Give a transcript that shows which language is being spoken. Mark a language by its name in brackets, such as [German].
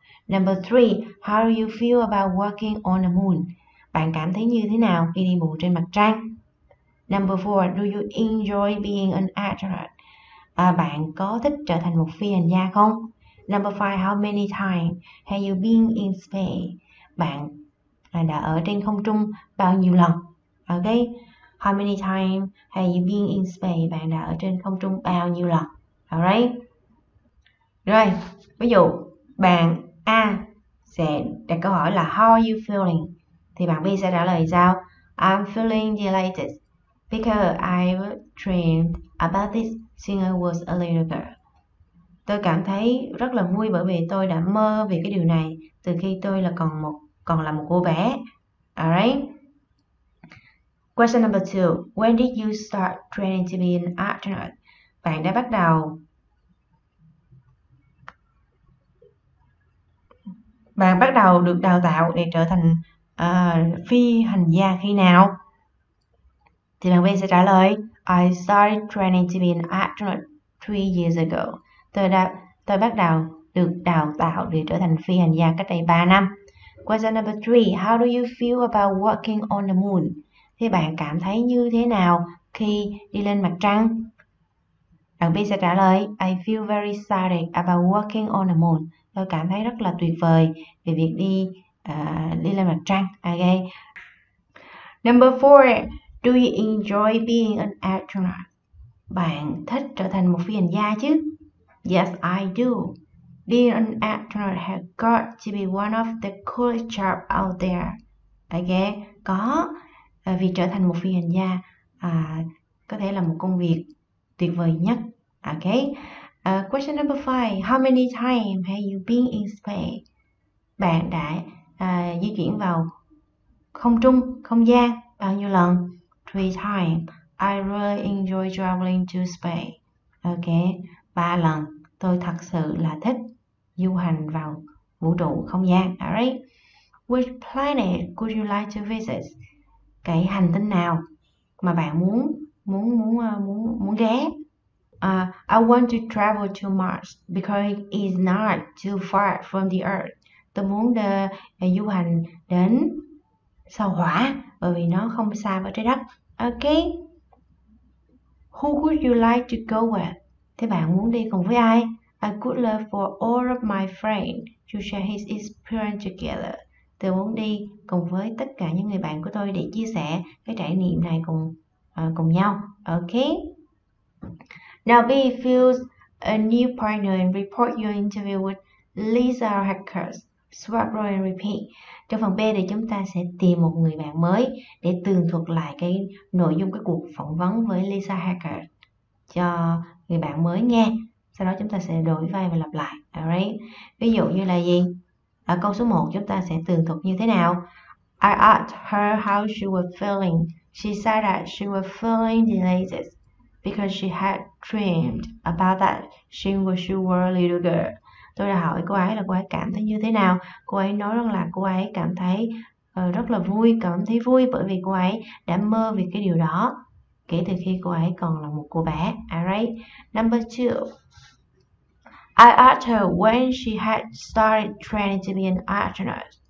[English] Number three, how do you feel about working on the moon? [Vietnamese] Bạn cảm thấy như thế nào khi đi bộ trên mặt trăng? [English] Number four, do you enjoy being an astronaut? [Vietnamese] Bạn có thích trở thành một phi hành gia không? [English] Number five, how many times have you been in space? [Vietnamese] Bạn đã ở trên không trung bao nhiêu lần? [English] Okay, how many times have you been in space? [Vietnamese] Bạn đã ở trên không trung bao nhiêu lần? Alright. Rồi, ví dụ bạn A sẽ đặt câu hỏi là [English] how are you feeling? [Vietnamese] Thì bạn B sẽ trả lời sao? [English] I'm feeling delighted because I've dreamed about this since I was a little girl. [Vietnamese] Tôi cảm thấy rất là vui bởi vì tôi đã mơ về cái điều này từ khi tôi là còn là một cô bé. [English] Alright. Question number two. When did you start training to be an astronaut? [Vietnamese] Bạn đã bắt đầu được đào tạo để trở thành phi hành gia khi nào? Thì bạn bên sẽ trả lời [English] I started training to be an astronaut 3 years ago. [Vietnamese] Tôi bắt đầu được đào tạo để trở thành phi hành gia cách đây 3 năm. [English] Question number 3, how do you feel about working on the moon? [Vietnamese] Thì bạn cảm thấy như thế nào khi đi lên mặt trăng? Bạn B sẽ trả lời, [English] I feel very excited about working on the moon. [Vietnamese] Tôi cảm thấy rất là tuyệt vời về việc đi đi lên mặt trăng. Okay. [English] Number 4, do you enjoy being an astronaut? [Vietnamese] Bạn thích trở thành một phi hành gia chứ? [English] Yes, I do. Being an astronaut has got to be one of the coolest jobs out there. Okay. [Vietnamese] Có, vì trở thành một phi hành gia có thể là một công việc tuyệt vời nhất. [English] Okay. Question number 5. How many times have you been in space? [Vietnamese] Bạn đã di chuyển vào không trung, không gian bao nhiêu lần? [English] 3 times. I really enjoy traveling to space. Okay. [Vietnamese] 3 lần. Tôi thật sự là thích du hành vào vũ trụ không gian. Alright. [English] Which planet would you like to visit? [Vietnamese] Cái hành tinh nào mà bạn muốn ghé? [English] I want to travel to Mars because it is not too far from the Earth. [Vietnamese] Tôi muốn du hành đến sao Hỏa bởi vì nó không xa với trái đất. Okay. [English] Who would you like to go with? [Vietnamese] Thế bạn muốn đi cùng với ai? [English] I would love for all of my friends to share his experience together. [Vietnamese] Tôi muốn đi cùng với tất cả những người bạn của tôi để chia sẻ cái trải nghiệm này cùng nhau. [English] Okay. Now B feels a new partner and report your interview with Lisa Hackers. Swap role and repeat. [Vietnamese] Trong phần B thì chúng ta sẽ tìm một người bạn mới để tường thuật lại cái nội dung cái cuộc phỏng vấn với Lisa Hackers cho người bạn mới nghe. Sau đó chúng ta sẽ đổi vai và lặp lại. Alright. Ví dụ như là gì? Ở câu số 1 chúng ta sẽ tường thuật như thế nào? [English] I asked her how she was feeling. She said that she was feeling delighted because she had dreamed about that since when she was a little girl. [Vietnamese] Tôi đã hỏi cô ấy là cô ấy cảm thấy như thế nào. Cô ấy nói rằng là cô ấy cảm thấy rất là vui, cảm thấy vui bởi vì cô ấy đã mơ về cái điều đó kể từ khi cô ấy còn là một cô bé. Alright. Number 2. [English] I asked her when she had started training to be an astronaut.